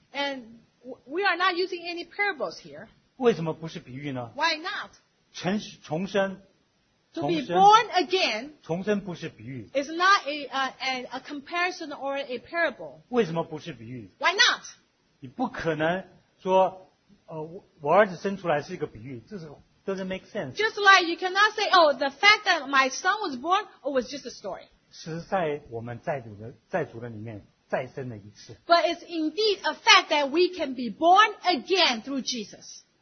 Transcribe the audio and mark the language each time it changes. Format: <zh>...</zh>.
<en>And we are not using any parables here.</en> <zh>为什么不是比喻呢</zh> <en>？Why not?</en> <zh>重生。</zh> <en>To be born again,</en> <zh>重生不是比喻。</zh> <en>It's not a comparison or a parable.</en> <zh>为什么不是比喻</zh> <en>？Why not?</en> <zh>你不可能说，我儿子生出来是一个比喻，这是</zh> <en>doesn't make sense. Just like you cannot say, oh, the fact that my son was born was just a story.</en> <zh>是在我们在主的里面再生了一次。</zh> <en>But it's indeed a fact that we can be born again through Jesus.</en>